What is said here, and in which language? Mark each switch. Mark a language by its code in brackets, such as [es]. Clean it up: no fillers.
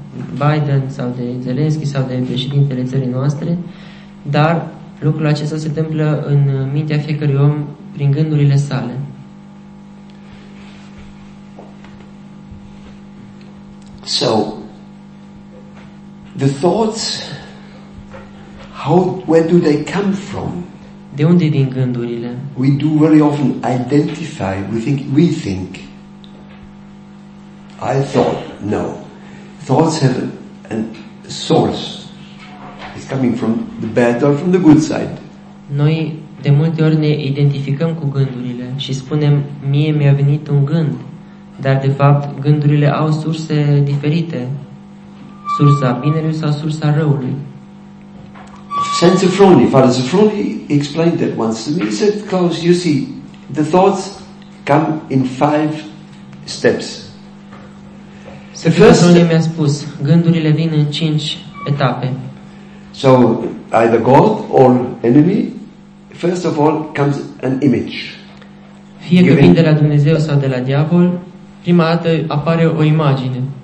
[ro] Biden sau de Zelensky sau de președintele țării noastre, dar lucrul acesta se întâmplă în mintea fiecărui om prin gândurile sale. [en] So the thoughts, how, where do they come from? [ro] De unde vin gândurile? [en] We do very often identify, we think. I thought, no. Thoughts have a source. It's coming from the bad or from the good side. [ro] Noi de multe ori ne identificăm cu gândurile și spunem, mie mi-a venit un gând. Dar de fapt gândurile au surse diferite. Sursa binelui sau sursa răului. [en] Saint Sofroni, Father Sofroni explained that once to me. He said, Klaus, you see, the thoughts come in 5 steps. The first step, [ro] mi-a spus, gândurile vin în 5 etape. [en] So, either God or enemy, first of all, comes an image. [ro] Fie că vin de la Dumnezeu sau de la diavol, prima dată apare o imagine.